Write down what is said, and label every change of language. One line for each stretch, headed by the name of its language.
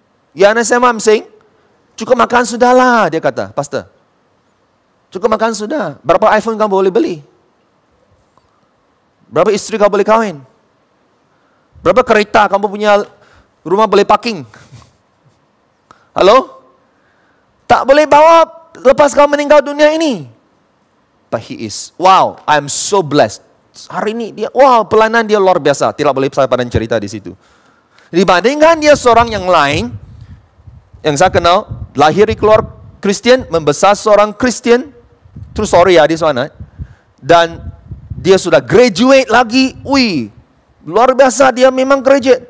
Malay: Ya, anasema,
English: I'm saying,
Malay: cukup makan sudahlah, dia kata, pastor. Cukup makan sudah. Berapa iPhone kamu boleh beli? Berapa istri kamu boleh kawin? Berapa kereta kamu punya rumah boleh parking? Halo? Tak boleh bawa lepas kau meninggal dunia ini.
English: But he is, wow, I'm so blessed.
Malay: Hari ini dia, wow, pelayanan dia luar biasa. Tidak boleh saya pandang cerita di situ. Dibandingkan dia seorang yang lain, yang saya kenal, lahir di keluar Kristian, membesar seorang Kristian,
English: true story
Malay: ya di sana, dan dia sudah graduate lagi, wih, luar biasa, dia memang graduate.